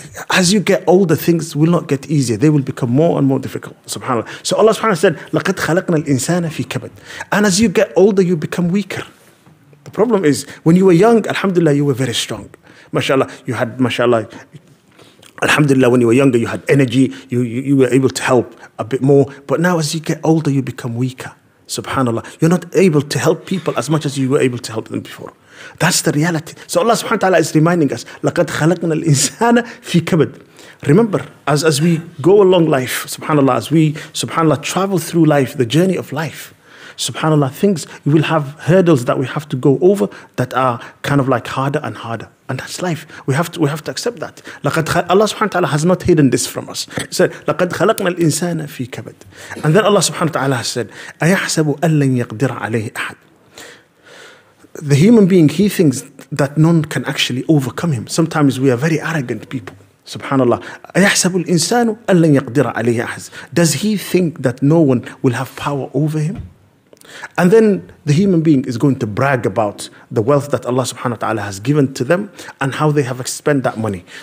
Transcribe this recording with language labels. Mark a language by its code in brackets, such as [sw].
[en] As you get older, things will not get easier. They will become more and more difficult. SubhanAllah. So Allah subhanahu said, [ar] لَقَدْ خَلَقْنَا الْإِنسَانَ فِي كَبَدْ. [en] And as you get older, you become weaker. The problem is, when you were young, alhamdulillah, you were very strong. MashaAllah, you had, mashaAllah, alhamdulillah, when you were younger, you had energy, you were able to help a bit more. But now as you get older, you become weaker. SubhanAllah. You're not able to help people as much as you were able to help them before. That's the reality. So Allah subhanahu wa ta'ala is reminding us, [ar] لَقَدْ خَلَقْنَا الْإِنسَانَ فِي كَبَدْ. [en] Remember, as we go along life, subhanAllah, as we, subhanAllah, travel through life, the journey of life, subhanAllah, things, you will have hurdles that we have to go over that are kind of like harder and harder. And that's life. We have to accept that. Allah subhanahu wa ta'ala has not hidden this from us. He said, [ar] لَقَدْ خَلَقْنَا الْإِنسَانَ فِي كَبَدْ. [en] And then Allah subhanahu wa ta'ala has said, [ar] أَيَحْسَبُ أَلَّنْ يَقْدِرَ عَلَيْهِ أَحَدْ. [en] The human being, he thinks that none can actually overcome him. Sometimes we are very arrogant people. [ar] SubhanAllah. أَيَحْسَبُ الْإِنسَانُ أَلَّنْ يَقْدِرَ عَلَيْهِ أَحَدْ. [en] Does he think that no one will have power over him? And then the human being is going to brag about the wealth that Allah subhanahu wa ta'ala has given to them and how they have spent that money.